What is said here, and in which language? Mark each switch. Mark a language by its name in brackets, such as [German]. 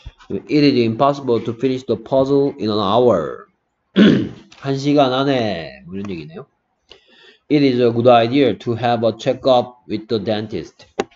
[English] It is impossible to finish the puzzle in an hour. [Korean] 한 시간 안에, 뭐 이런 얘기네요. [English] It is a good idea to have a checkup with the dentist.